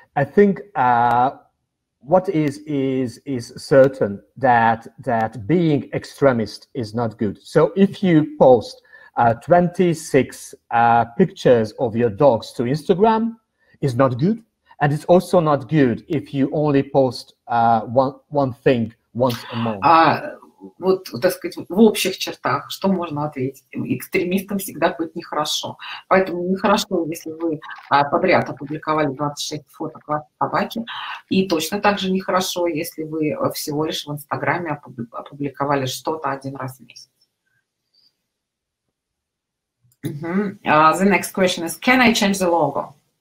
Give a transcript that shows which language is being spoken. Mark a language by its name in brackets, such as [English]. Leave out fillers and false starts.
[English] I think what is certain that being extremist is not good. So if you post 26 pictures of your dogs to Instagram, is not good. And it's also not good if you only post one thing once a month. [Russian] Вот, так сказать, в общих чертах, что можно ответить? Экстремистам всегда будет нехорошо. Поэтому нехорошо, если вы подряд опубликовали 26 фото собаки. И точно так же нехорошо, если вы всего лишь в Инстаграме опубликовали что-то один раз в месяц. [English] The next question is, can I change the logo?